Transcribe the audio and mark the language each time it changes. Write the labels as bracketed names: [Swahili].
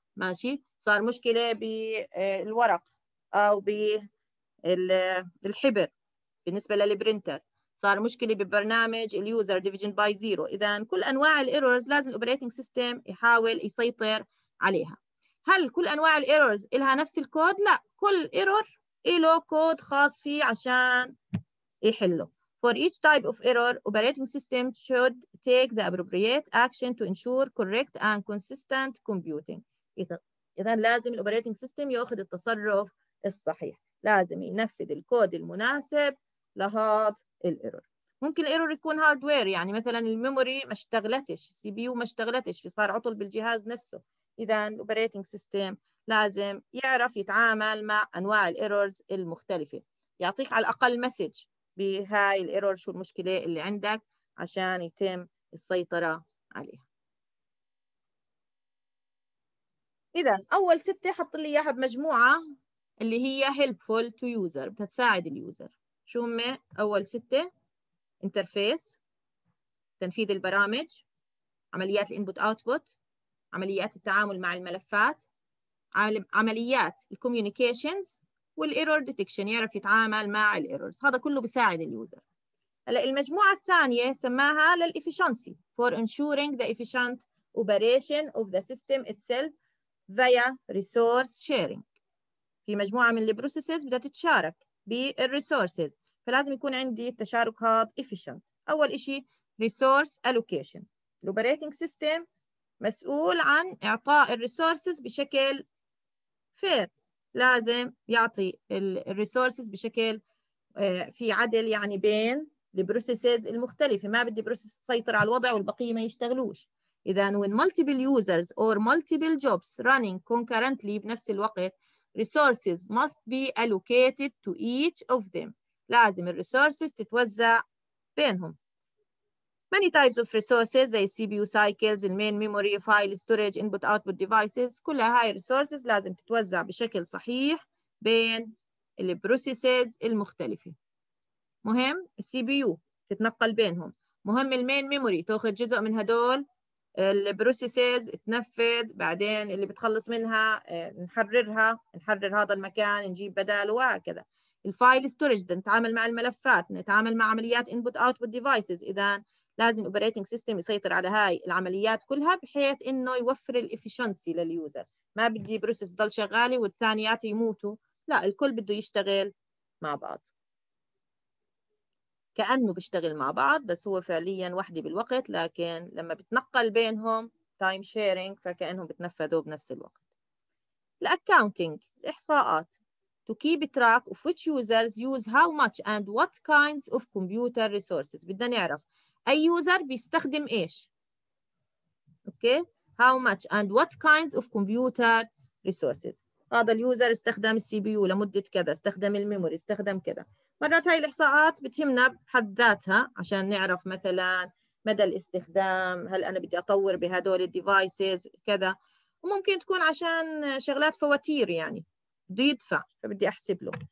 [Arabic] ماشي؟ صار مشكله بالورق او بالحبر بالنسبه للبرنتر، صار مشكلة ببرنامج اليوزر ديفيجن باي زيرو. إذا كل أنواع الايرورز لازم الاوبريتنج سيستم يحاول يسيطر عليها. هل كل أنواع الايرورز إلها نفس الكود؟ لا، كل ايرور إله كود خاص فيه عشان يحله. [English] For each type of error, operating system should take the appropriate action to ensure correct and consistent computing. [Arabic] إذا لازم الاوبريتنج سيستم ياخذ التصرف الصحيح، لازم ينفذ الكود المناسب لهذا الايرور. ممكن الايرور يكون هاردوير، يعني مثلا الميموري ما اشتغلتش، السي بي يو ما اشتغلتش، فصار عطل بالجهاز نفسه. اذا الاوبريتنج سيستم لازم يعرف يتعامل مع انواع الايرورز المختلفه، يعطيك على الاقل مسج بهاي الايرور شو المشكله اللي عندك عشان يتم السيطره عليها. اذا اول سته حط لي اياها بمجموعه اللي هي [English] helpful to user، [Arabic] بتساعد اليوزر. شو هم أول ستة؟ انترفيس، تنفيذ البرامج، عمليات الانبوت اوتبوت، عمليات التعامل مع الملفات، عمليات الكوميونيكيشنز، والايرور ديتكشن، يعرف يتعامل مع الايرورز. هذا كله بيساعد اليوزر. هلا المجموعة الثانية سماها للإفيشنسي، [English] for ensuring the efficient operation of the system itself via resource sharing. [Arabic] في مجموعة من البروسيسز بدها تتشارك بالريسورسز، فلازم يكون عندي التشارك هاد efficient. أول إشي resource allocation. الأوبريتنج سيستم مسؤول عن إعطاء الريسورسز بشكل fair، لازم يعطي الريسورسز بشكل في عدل، يعني بين البروسيسز المختلفة. ما بدي بروسيس تسيطر على الوضع والبقية ما يشتغلوش. [English] إذا when multiple users or multiple jobs running concurrently [Arabic] بنفس الوقت، [English] resources must be allocated to each of them. [Arabic] لازم الـ resources تتوزع بينهم. [English] Many types of resources زي CPU cycles, main memory, file storage, input output devices، كل هاي resources [Arabic] لازم تتوزع بشكل صحيح بين الـ [English] processes المختلفة. [Arabic] مهم الـ CPU تتنقل بينهم، مهم الـ main memory تاخذ جزء من هدول البروسيسز تنفذ، بعدين اللي بتخلص منها نحررها، نحرر هذا المكان نجيب بداله، وهكذا. الفايل ستورج بدنا نتعامل مع الملفات، نتعامل مع عمليات انبوت اوتبوت ديفايسز، اذا لازم الاوبريتنج سيستم يسيطر على هاي العمليات كلها بحيث انه يوفر الافشنسي لليوزر. ما بدي بروسيس تضل شغاله والثانيات يموتوا، لا، الكل بده يشتغل مع بعض. كأنه بيشتغل مع بعض بس هو فعليا وحده بالوقت، لكن لما بتنقل بينهم تايم شيرنج فكأنهم بتنفذوا بنفس الوقت. الاكاونتنج، الاحصاءات، [English] to keep track of which users use how much and what kinds of computer resources. [Arabic] بدنا نعرف اي يوزر بيستخدم ايش. [English] Okay, how much and what kinds of computer resources. [Arabic] هذا اليوزر استخدم السي بي يو لمده كذا، استخدم الميموري، استخدم كذا. مرات هاي الإحصاءات بتهمنا بحد ذاتها عشان نعرف مثلا مدى الاستخدام، هل أنا بدي أطور بهدول الديفايسز كذا، وممكن تكون عشان شغلات فواتير، يعني بده يدفع فبدي أحسب له.